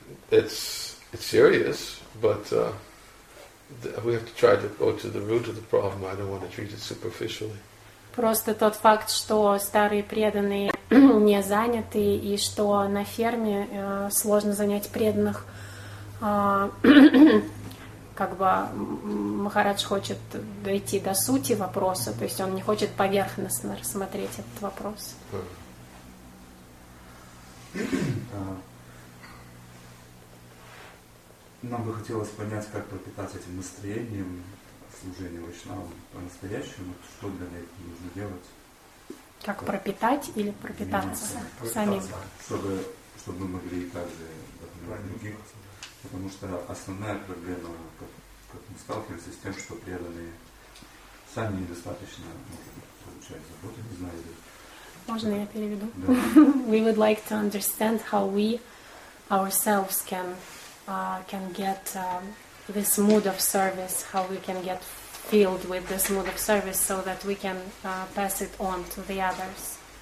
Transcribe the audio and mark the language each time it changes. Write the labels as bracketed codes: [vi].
[en] It's serious, but. We have to try to go to the root of the problem. I don't want to treat it superficially. [ru] Просто тот факт, что старые преданные не заняты и что на ферме сложно занять преданных, как бы Махарадж хочет дойти до сути вопроса, то есть он не хочет поверхностно рассмотреть этот вопрос. Нам бы хотелось понять, как пропитать этим настроением служения вайшнавам по-настоящему, что для этого нужно делать. Как пропитать или пропитаться, самим? Чтобы мы могли также допомогать других. Потому что основная проблема, как мы сталкиваемся, с тем, что преданные сами недостаточно получают заботу, не знаю. Можно я переведу? [en] We would like to understand how we ourselves can get this mood of service, how we can get filled with this mood of service so that we can pass it on to the others.